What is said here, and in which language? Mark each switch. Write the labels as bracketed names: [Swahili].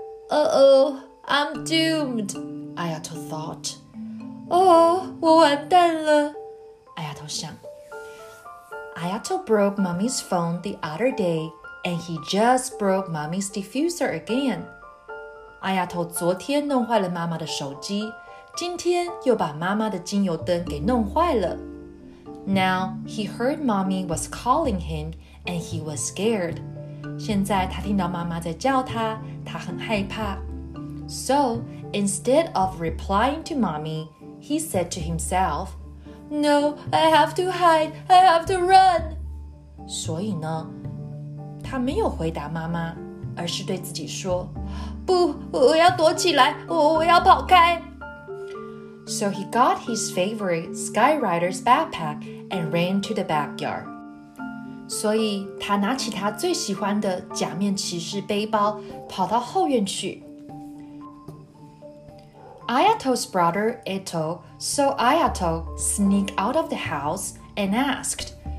[English] Uh-oh, I'm doomed, Ayato thought. [Chinese] Oh, 我完蛋了, Ayato 想。 [English] Ayato broke mommy's phone the other day, and he just broke mommy's diffuser again. [Chinese] Ayato 昨天弄坏了妈妈的手机，今天又把妈妈的精油灯给弄坏了。 [English] Now, he heard mommy was calling him, and he was scared. [Chinese] 现在他听到妈妈在叫他，他很害怕。 [English] So, instead of replying to mommy, he said to himself, No, I have to hide, I have to run. [Chinese] 所以呢，他没有回答妈妈，而是对自己说，不，我要躲起来，我要跑开。 [English] So he got his favorite Sky Rider's backpack and ran to the backyard. [Chinese] 所以他拿起他最喜欢的假面骑士背包，跑到后院去。 [English] Ayato's brother Eto saw Ayato sneak out of the house and asked,